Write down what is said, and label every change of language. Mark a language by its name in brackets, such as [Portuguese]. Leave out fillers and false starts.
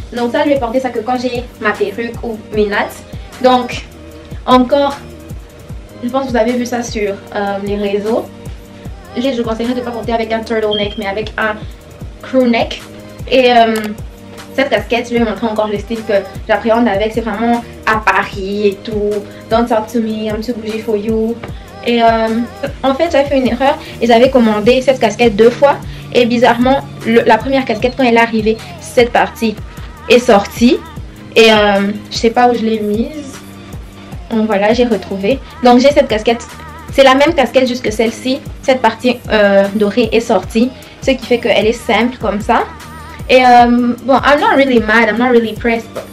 [French] Donc ça, je vais porter ça que quand j'ai ma perruque ou mes nattes. Donc, encore, je pense que vous avez vu ça sur les réseaux. Je vous conseillerais de ne pas porter avec un turtleneck, mais avec un crew neck. Et cette casquette, je vais vous montrer encore le style que j'appréhende avec. C'est vraiment à Paris et tout. [English] Don't talk to me, I'm too bougie for you. [French] Et en fait j'avais fait une erreur et j'avais commandé cette casquette deux fois et bizarrement la première casquette quand elle est arrivée, cette partie est sortie et je sais pas où je l'ai mise. Donc voilà, j'ai retrouvé. Donc j'ai cette casquette, c'est la même casquette juste que celle-ci, cette partie dorée est sortie, ce qui fait qu'elle est simple comme ça. Et bon, [English] I'm not really mad, I'm not really pressed.